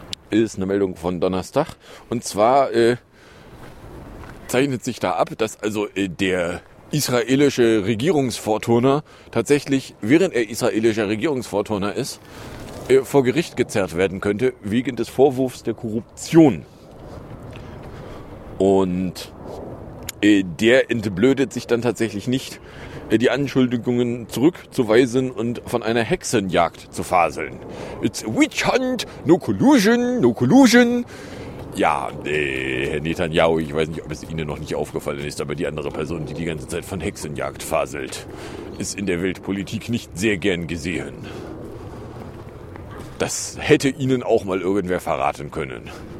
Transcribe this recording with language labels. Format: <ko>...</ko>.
<de>Ist eine Meldung von Donnerstag. Und zwar zeichnet sich da ab, dass also der israelische Regierungsvorturner tatsächlich, während er israelischer Regierungsvorturner ist, vor Gericht gezerrt werden könnte, wegen des Vorwurfs der Korruption. Und der entblödet sich dann tatsächlich nicht, die Anschuldigungen zurückzuweisen und von einer Hexenjagd zu faseln.</de> <en>It's a witch hunt, no collusion.</en> <de>Ja, Herr Netanjahu, ich weiß nicht, ob es Ihnen noch nicht aufgefallen ist, aber die andere Person, die die ganze Zeit von Hexenjagd faselt, ist in der Weltpolitik nicht sehr gern gesehen. Das hätte Ihnen auch mal irgendwer verraten können.</de>